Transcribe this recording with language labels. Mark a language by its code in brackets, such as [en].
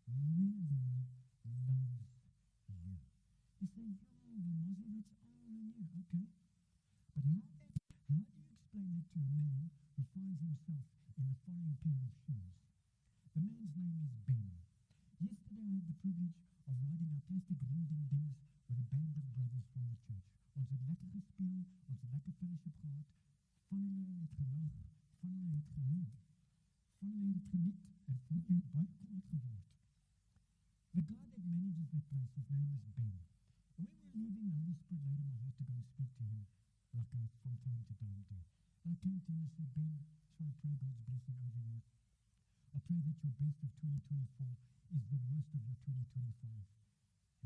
[en] But how do you explain that to a man who finds himself in the foreign pair of shoes? The man's name is Ben. Yesterday I had the privilege of riding our plastic ring-ding-dings with a band of brothers from the church. [af] Ons het lekker gespeel, ons het lekker fellowship gehad, van hulle het gelag, van hulle het gehuil, van hulle het geniet, en van hulle het baie kwaad geword. [en] The guy that manages that place, his name is Ben. And we were leaving, the Holy Spirit laid on my heart to go and speak to him, like I from time to time do. And I came to him and said, Ben, so I pray God's blessing over you. I pray that your best of 2024 is the worst of your 2025.